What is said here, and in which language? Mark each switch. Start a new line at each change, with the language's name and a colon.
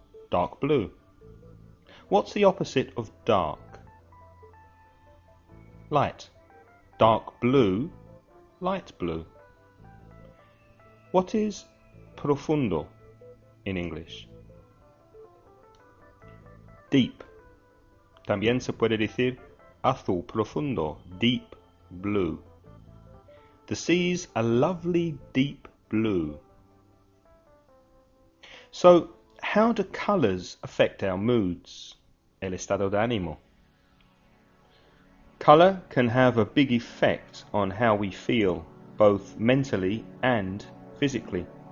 English: Dark blue. What's the opposite of dark? Light. Dark blue, light blue. What is profundo in English? Deep.
Spanish: También se puede decir azul profundo,
English: deep blue. The sea's a lovely deep blue. So, how do colours affect our moods?
Spanish: El estado de ánimo.
English: Colour can have a big effect on how we feel, both mentally and physically.